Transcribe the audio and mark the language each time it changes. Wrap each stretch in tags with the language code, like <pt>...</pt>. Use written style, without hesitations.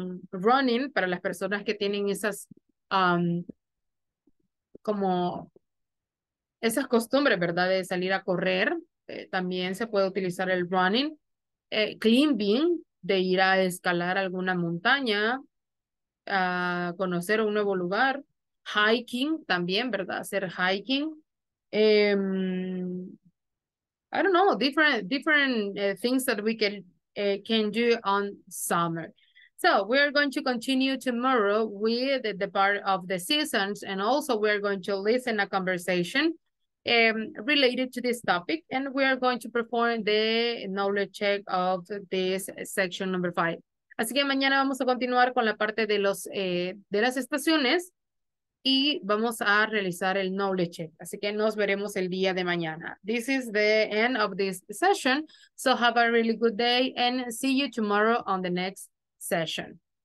<es>Running para las personas que tienen esas como esas costumbres, ¿verdad? De salir a correr, también se puede utilizar el running. Climbing, de ir a escalar alguna montaña, a conocer un nuevo lugar. Hiking también, ¿verdad? Hacer hiking.</es> <en>I don't know, different things that we can can do on summer. So we are going to continue tomorrow with the part of the seasons, and also we are going to listen a conversation related to this topic, and we are going to perform the knowledge check of this section number 5.</en> <es>Así que mañana vamos a continuar con la parte de los de las estaciones y vamos a realizar el knowledge check. Así que nos veremos el día de mañana.</es> <en>This is the end of this session. So have a really good day and see you tomorrow on the next session.</en>